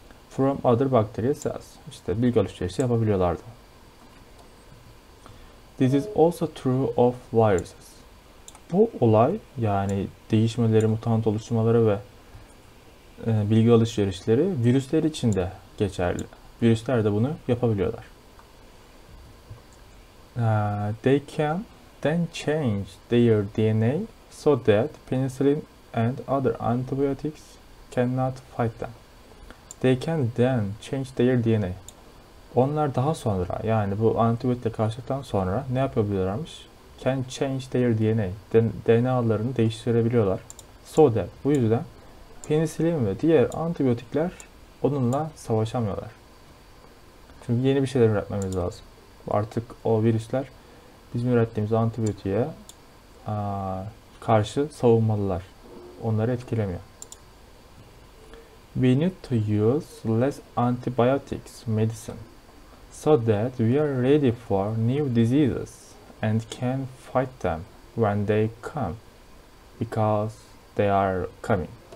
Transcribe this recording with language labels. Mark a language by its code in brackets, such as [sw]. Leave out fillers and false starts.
[en] From other bacteria cells. [tr] İşte bilgi alışverişi yapabiliyorlardı. [en] This is also true of viruses. [tr] Bu olay, yani değişmeleri, mutant oluşmaları ve bilgi alışverişleri virüsler için de geçerli. Virüsler de bunu yapabiliyorlar. [en] They can then change their DNA so that penicillin and other antibiotics cannot fight them. They can then change their DNA. [tr] Onlar daha sonra, yani bu antibiyotikle karşılaştıktan sonra ne yapabiliyorlarmış? [en] Can change their DNA. [tr] DNA'larını değiştirebiliyorlar. [en] So that, [tr] bu yüzden penisilin ve diğer antibiyotikler onunla savaşamıyorlar. Çünkü yeni bir şeyler üretmemiz lazım. Artık o virüsler bizim ürettiğimiz antibiyotiğe karşı savunmalılar. Onları etkilemiyor. [en] We need to use less antibiotics medicine so that we are ready for new diseases and can fight them when they come because they are coming.